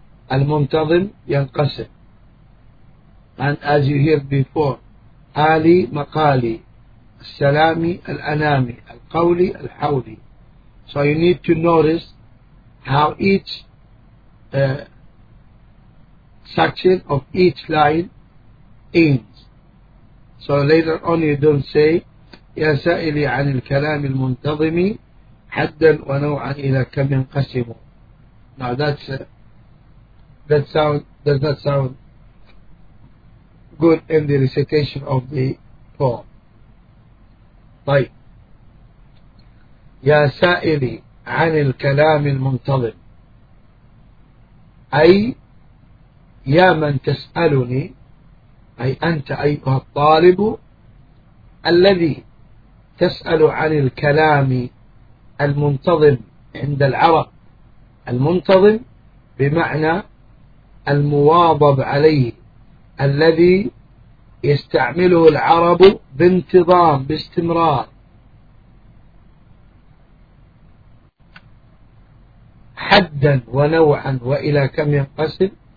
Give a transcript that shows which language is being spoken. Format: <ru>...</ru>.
<ar>Al-Muntazim yanqasim.</ar> <en>And as you hear before,</en> <ar>Ali Maqali, Salami Al-Anami, Al-Qawli Al-Hawli.</ar> <en>So you need to notice how each section of each line ends. So later on you don't say,</en> <ar>Ya Sa'ili عن الكلام المنتظم حدا ونوعا إلى كم ينقسم.</ar> <en>Now that's does not sound good in the recitation of the poem.</en> <ar>طيب, يا سائلي عن الكلام المنتظم, أي يا من تسألني, أي أنت أيها الطالب الذي تسأل عن الكلام المنتظم عند العرب, المنتظم بمعنى المواظب عليه, الذي يستعمله العرب بانتظام باستمرار, حدا ونوعا وإلى كم ينقسم.</ar>